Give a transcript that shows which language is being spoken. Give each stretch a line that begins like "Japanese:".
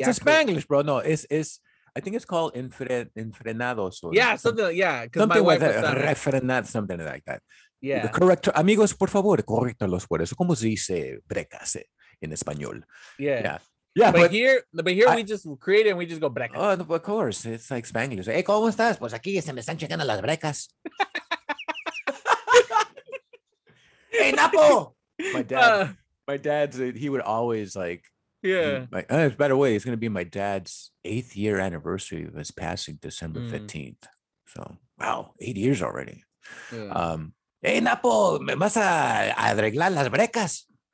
English: it's a Spanglish, bro. No, it's. I think it's called enfrenados. Yeah, something like, yeah. Something like that. Refrenad, something like that. Yeah. The correct,
Spanish: amigos, por favor, correctalos por eso. ¿Cómo se dice brecase in español?
English: Yeah. Yeah. Yeah, but here we just create it and we just go brecas. Oh, of course. It's like Spanglish. Hey,
Spanish: ¿cómo estás? Pues aquí se me están checando las brecas.
English: Hey, Napo! My dad, he would always like, yeah. By the way, it's going to be my dad's 8th year anniversary of his passing December 15th. So, wow, 8 years already. Yeah.
Spanish: Hey, Napo, ¿me vas a arreglar las brecas?